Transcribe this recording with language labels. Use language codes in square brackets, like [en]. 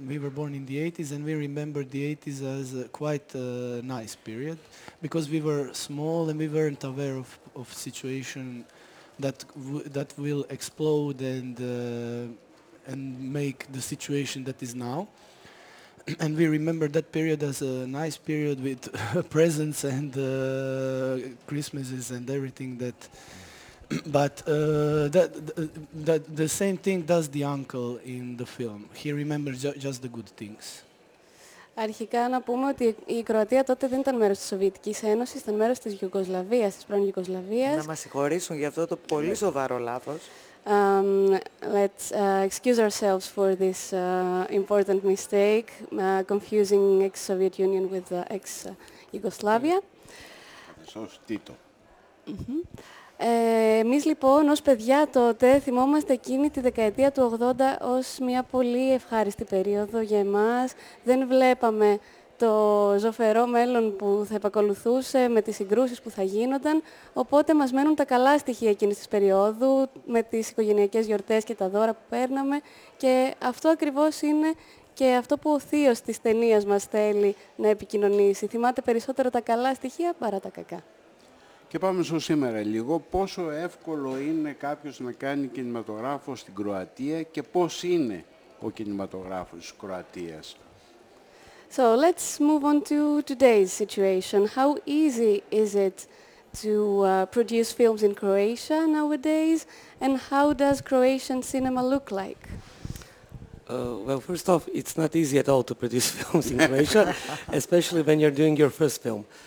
[en] We were born in the 80s, and we remember the 80s as quite a nice period because we were small and we weren't aware of situation that will explode and make the situation that is now. And we remember that period as a nice period with presents and Christmases and everything that. But the same thing does the uncle in the film. He remembers just the good things. [el] Αρχικά να πούμε ότι η Κροατία τότε δεν ήταν μέρος της Σοβιετικής Ένωσης, ήταν μέρος της Γιουγκοσλαβίας, της πρώην Γιουγκοσλαβίας. Να μας συγχωρήσουν για αυτό το πολύ σοβαρό λάθος. [en] Let's excuse ourselves for this important mistake, confusing ex-Soviet Union with ex-Yugoslavia. [el] Σωστήτο. Εμείς λοιπόν ως παιδιά τότε θυμόμαστε εκείνη τη δεκαετία του 80 ως μια πολύ ευχάριστη περίοδο για εμάς. Δεν βλέπαμε το ζωφερό μέλλον που θα επακολουθούσε με τις συγκρούσεις που θα γίνονταν. Οπότε μας μένουν τα καλά στοιχεία εκείνης της περίοδου, με τις οικογενειακές γιορτές και τα δώρα που παίρναμε. Και αυτό ακριβώς είναι και αυτό που ο θείος της ταινίας μας θέλει να επικοινωνήσει. Θυμάται περισσότερο τα καλά στοιχεία παρά τα κακά. Και πάμε στο σήμερα λίγο. Πόσο εύκολο είναι κάποιος να κάνει κινηματογράφο στην Κροατία και πώς είναι ο κινηματογράφος της Κροατίας? [en] So let's move on to today's situation. How easy is it to produce films in Croatia nowadays, and how does Croatian cinema look like? Well, first off, it's not easy at all to produce films in Croatia, especially when you're doing your first film.